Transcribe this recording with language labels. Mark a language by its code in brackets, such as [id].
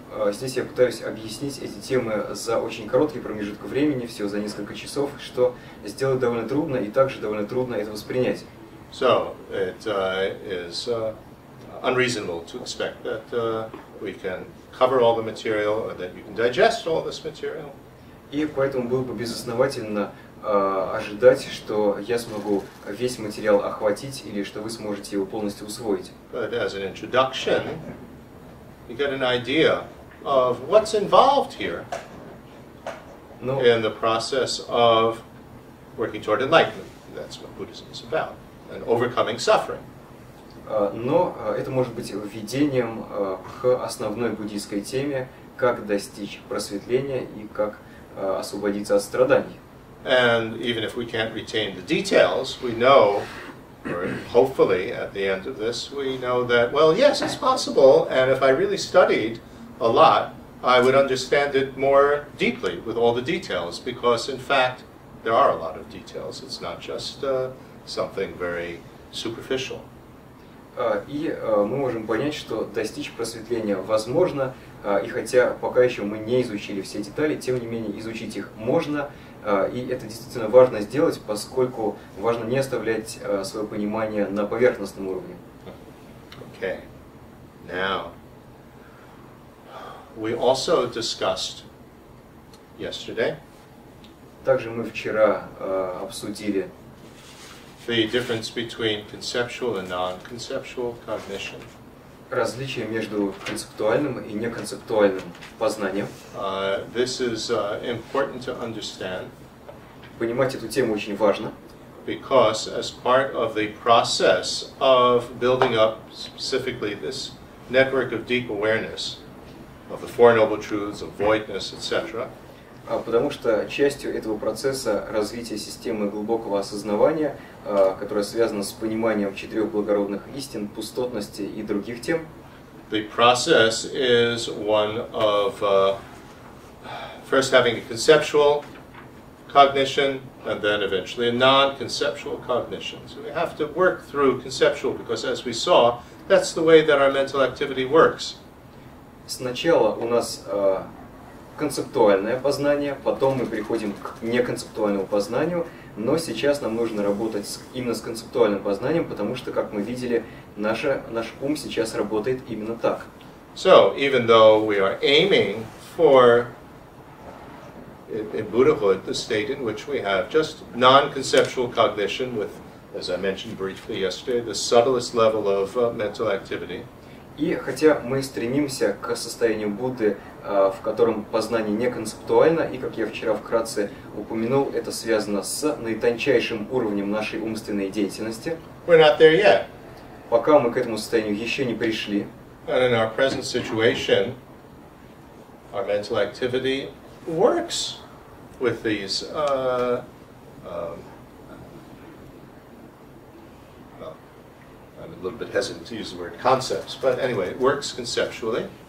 [ru] Здесь я пытаюсь объяснить эти темы за очень короткий промежуток времени, всего за несколько часов, что сделать довольно трудно и также довольно трудно это воспринять. [en] So, it is unreasonable to expect that we can cover all the material, or that you can digest all this material. [ru] И поэтому было бы безосновательно ожидать, что я смогу весь материал охватить или что вы сможете его полностью усвоить. [en] But as an introduction, you get an idea of what's involved here in the process of working toward enlightenment. That's what Buddhism is about, and overcoming suffering. [ru] Это может быть введением к основной буддийской теме, как достичь просветления и как освободиться от страданий. [en] And even if we can't retain the details, we know, or hopefully at the end of this, we know that, well, yes, it's possible, and if I really studied a lot, I would understand it more deeply with all the details, because in fact there are a lot of details. It's not just something very superficial. [ru] Мы можем понять, что достичь просветления возможно, и хотя пока еще мы не изучили все детали, тем не менее изучить их можно, и это действительно важно сделать, поскольку важно не оставлять свое понимание на поверхностном уровне. [en] Okay. Now, we also discussed yesterday. [ru] Также мы вчера обсудили [en] the difference between conceptual and non-conceptual cognition. [ru] Различие между концептуальным и неконцептуальным познанием. [en] This is important to understand. [ru] Понимать эту тему очень важно. [en] because as part of the process of building up specifically this network of deep awareness of the Four Noble Truths, of voidness, etc. [ru] Потому что частью этого процесса развития системы глубокого осознавания, которая связана с пониманием четырех благородных истин, пустотности и других тем, [en] the process is one of first having a conceptual cognition and then eventually a non-conceptual cognition. So we have to work through conceptual because, as we saw, that's the way that our mental activity works. [ru] Сначала у нас концептуальное познание, потом мы переходим к неконцептуальному познанию, но сейчас нам нужно работать именно с концептуальным познанием, потому что, как мы видели, наш ум сейчас работает именно так. [en] So, even though we are aiming for in Buddhahood the state in which we have just non-conceptual cognition with, as I mentioned briefly yesterday, the subtlest level of mental activity. [ru] И хотя мы стремимся к состоянию Будды, в котором познание не концептуально, и, как я вчера вкратце упомянул, это связано с наитончайшим уровнем нашей умственной деятельности. [en] We're not there yet. [ru] Пока мы к этому состоянию еще не пришли. [en] And in our present situation, our mental activity works with these a little bit hesitant to use the word concepts, but anyway, it works conceptually.